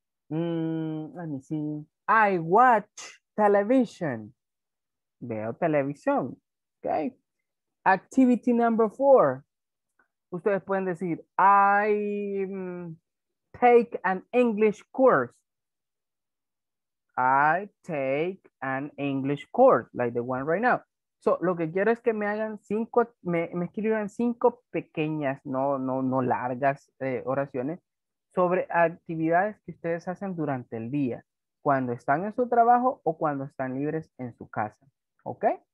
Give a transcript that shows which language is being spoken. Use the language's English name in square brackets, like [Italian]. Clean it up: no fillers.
[English] Let me see. I watch television. [Spanish] Veo televisión. [English] Okay. Activity number four. [Spanish] Ustedes pueden decir, [English] I take an English course. I take an English course, like the one right now. [Spanish] So, lo que quiero es que me hagan cinco, me escriban cinco pequeñas, no largas oraciones, sobre actividades que ustedes hacen durante el día, cuando están en su trabajo o cuando están libres en su casa. ¿Ok?